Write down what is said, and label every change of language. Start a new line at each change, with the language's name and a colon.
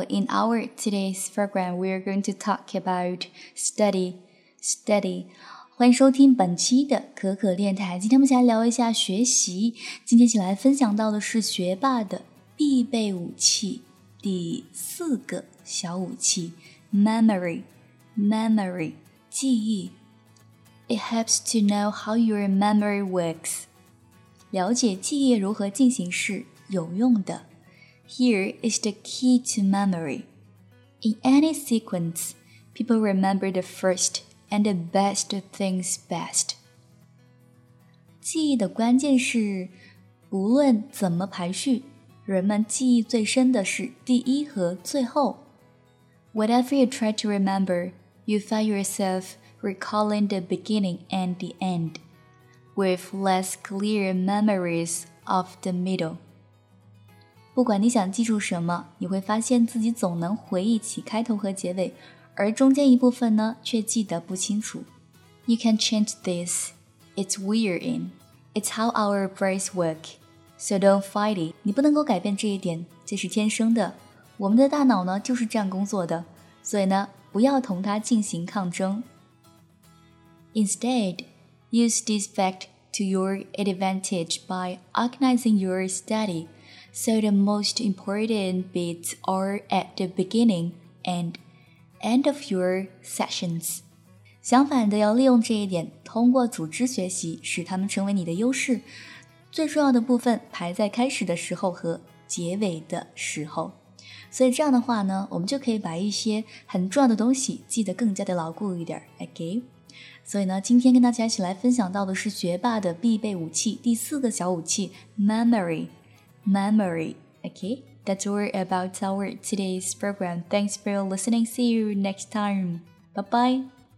English: In our today's program, we are going to talk about study. Study.
Chinese: 欢迎收听本期的可可电台。今天我们先来聊一下学习。今天请来分享到的是学霸的必备武器，第四个小武器 ，memory. Memory. 记忆。
English: It helps to know how your memory works.
Chinese: 了解记忆如何进行是有用的。
English: Here is the key to memory. In any sequence, people remember the first and the best things best.
Chinese: 记忆的关键是，不论怎么排序，人们记忆最深的是第一和最后。
English: Whatever you try to remember, you find yourself recalling the beginning and the end. With less clear memories of the middle.
Chinese: 不管你想记住什么，你会发现自己总能回忆起开头和结尾，而中间一部分呢，却记得不清楚。
English: You can change this. It's we're in. It's how our brains work. So don't fight it.
Chinese: 你不能够改变这一点，这是天生的。我们的大脑呢，就是这样工作的。所以呢，不要同它进行抗争。
English: Instead,Use this fact to your advantage by organizing your study so the most important bits are at the beginning and end of your sessions.
Chinese: 相反的，要利用这一点，通过组织学习，使它们成为你的优势。最重要的部分排在开始的时候和结尾的时候。所以这样的话呢，我们就可以把一些很重要的东西记得更加的牢固一点。
English: Okay?
Chinese: 所以呢，今天跟大家一起来分享到的是学霸的必备武器，第四个小武器 ，memory。 memory。
English: Okay, that's all about our today's program. Thanks for listening. See you next time. Bye bye.